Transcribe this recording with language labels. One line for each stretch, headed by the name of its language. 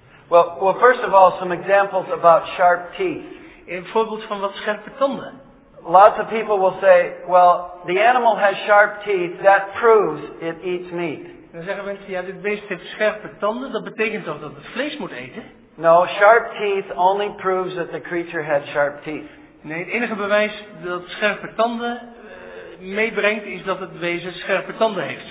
English: Well, first of all, some examples about sharp teeth.
Dutch: Een voorbeeld van wat scherpe tanden.
English: Lots of people will say, well, the animal has sharp teeth, that proves it eats meat.
Dutch: Dan zeggen mensen, ja, dit beest heeft scherpe tanden, dat betekent toch dat het vlees moet eten?
English: No, sharp teeth only proves that the creature had sharp teeth.
Dutch: Nee, het enige bewijs dat scherpe tanden meebrengt is dat het wezen scherpe tanden heeft.